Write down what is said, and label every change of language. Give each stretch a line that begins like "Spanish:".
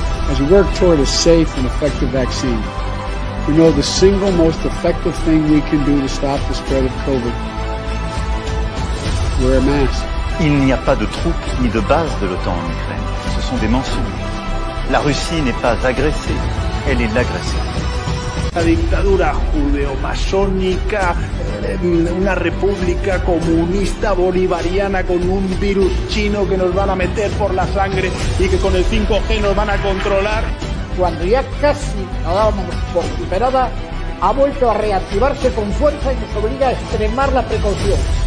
English: As we work toward a safe and effective vaccine, we know the single most effective thing we can do to stop the spread of COVID. Wear a mask.
French: Il n'y a pas de troupes ni de bases de l'OTAN en Ukraine. Ce sont des mensonges. La Russie n'est pas agressée, elle est l'agresseur.
Spanish: La dictadura judéo-masónica, una república comunista bolivariana con un virus chino que nos van a meter por la sangre y que con el 5G nos van a controlar. Cuando ya casi la dábamos por superada, ha vuelto a reactivarse con fuerza y nos obliga a extremar la precaución.